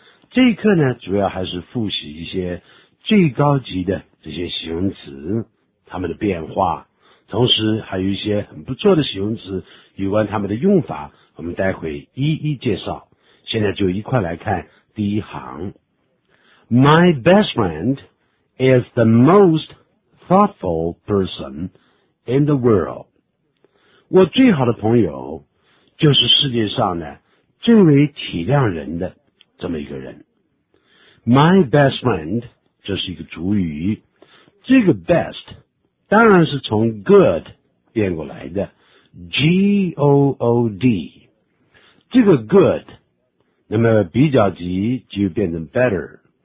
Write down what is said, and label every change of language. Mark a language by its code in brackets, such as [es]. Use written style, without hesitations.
[zh] 这一课呢，主要还是复习一些最高级的这些形容词，它们的变化。同时还有一些很不错的形容词，有关他们的用法，我们待会一一介绍。现在就一块来看第一行。 [en] My best friend is the most thoughtful person in the world. [zh] 我最好的朋友就是世界上呢最为体谅人的这么一个人。 [en] My best friend [zh] 这是一个主语，这个 best。当然是从 good 变过来的 G-O-O-D 这个 good 那么比较级就变成 better